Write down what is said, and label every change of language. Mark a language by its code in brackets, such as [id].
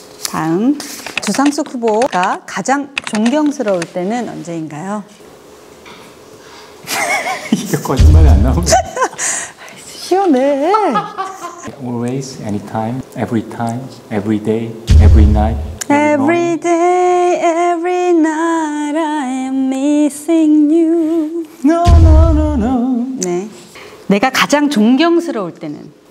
[ko] 다음, 주상숙 후보가 가장 존경스러울 때는 언제인가요? 이게 거짓말이 안 나오네. 시원해. [en] Always, anytime, every time, every day, every night. Every day, every night, I am missing you. No, no, no, no. [ko] 네. 내가 가장 존경스러울 때는?